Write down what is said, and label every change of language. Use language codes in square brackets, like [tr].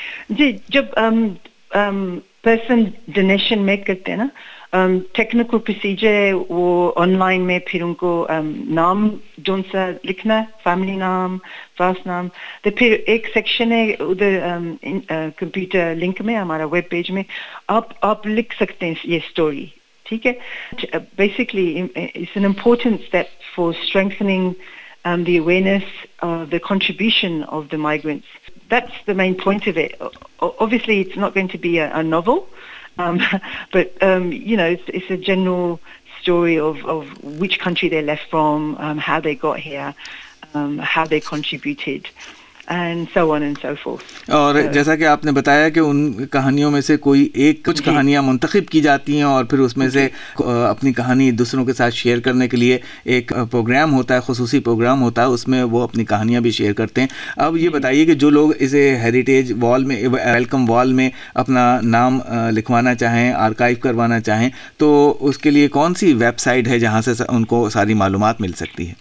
[hi] जी, जब person donation make करते हैं ना, टेक्निकल प्रोसीजर है वो ऑनलाइन में, फिर उनको नाम जोन सा लिखना है, फैमिली नाम, फर्स्ट नाम, तो फिर एक सेक्शन है उधर कंप्यूटर लिंक में, हमारा वेब पेज में आप लिख सकते हैं ये स्टोरी, ठीक है. [en] Basically it's an important step for strengthening the awareness of the contribution of the migrants. That's the main point of it. Obviously it's not going to be a novel, but you know, it's a general story of which country they left from, how they got here, how they contributed, and so on and so forth. [hi] और जैसा कि आपने बताया कि उन कहानियों में से कोई एक, कुछ कहानियां मुंतखब की जाती हैं और फिर उसमें से अपनी कहानी दूसरों के साथ शेयर करने के लिए एक प्रोग्राम होता है, खसूसी प्रोग्राम होता है, उसमें वो अपनी कहानियां भी शेयर करते हैं. अब ये बताइए कि जो लोग इसे हेरिटेज वॉल में, वेलकम वॉल में अपना नाम लिखवाना चाहें, आर्काइव करवाना चाहें, तो उसके लिए कौन सी वेबसाइट है जहां से उनको सारी मालूम मिल सकती है?